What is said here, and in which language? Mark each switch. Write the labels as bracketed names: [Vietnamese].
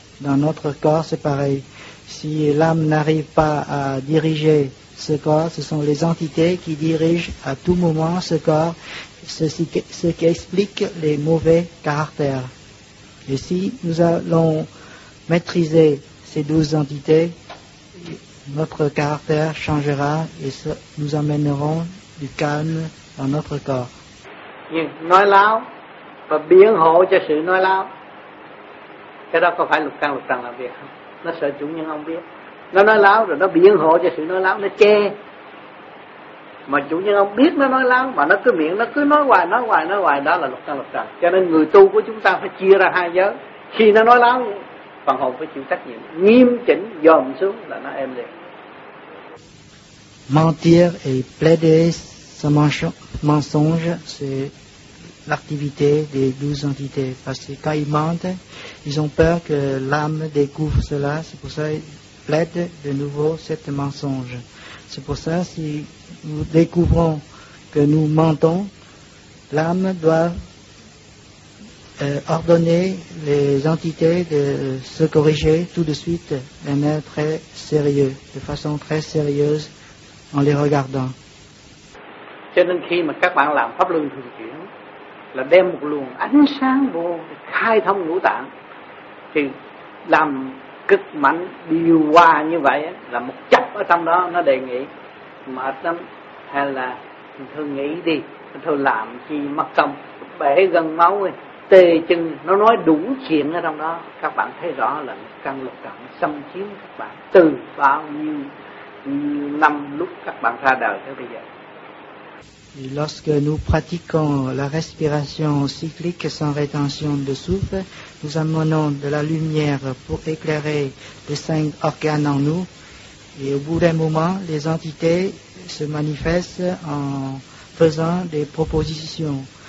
[French] Dans notre corps, c'est pareil. Si l'âme n'arrive pas à diriger ce corps, ce sont les entités qui dirigent à tout moment ce corps, ce qui explique les mauvais caractères. Et si nous allons maîtriser ces 12 entités, notre caractère changera et nous amènerons du calme dans notre corps. [Vietnamese] Nói láo và biện hộ cho sự nói láo, cái đó có phải lục căn lục trần làm việc không? Nó sợ chủ nhân không biết, nó nói láo rồi nó biện hộ cho sự nói láo, nó che. Mà chủ nhân không biết nó nói láo, mà nó cứ miệng, nó cứ nói hoài, đó là lục căn lục trần. Cho nên người tu của chúng ta phải chia ra hai giới. Khi nó nói láo, phần hồn phải chịu trách nhiệm, nghiêm chỉnh dòm xuống là nó êm liền. [French] Mentir et plaider son mensonge, c'est l'activité des 12 entités. Parce que quand ils mentent, ils ont peur que l'âme découvre cela. C'est pour ça qu'ils plaident de nouveau cette mensonge. C'est pour ça que si nous découvrons que nous mentons, l'âme doit ordonner les entités de se corriger tout de suite d'un air très sérieux, de façon très sérieuse en les regardant. [Vietnamese] Cho nên khi mà các bạn làm pháp luân thường chuyển là đem một luồng ánh sáng vô khai thông ngũ tạng, thì làm cực mạnh điều hòa như vậy là một chấp ở trong đó nó đề nghị mệt lắm, hay là thường nghĩ đi, thường làm chi mất công, bể gân máu, tê chân, nó nói đủ chuyện ở trong đó. Các bạn thấy rõ là căn lục trần xâm chiếm các bạn từ bao nhiêu năm lúc các bạn ra đời tới bây giờ. [French] Et lorsque nous pratiquons la respiration cyclique sans rétention de souffle, nous amenons de la lumière pour éclairer les 5 organes en nous. Et au bout d'un moment, les entités se manifestent en faisant des propositions.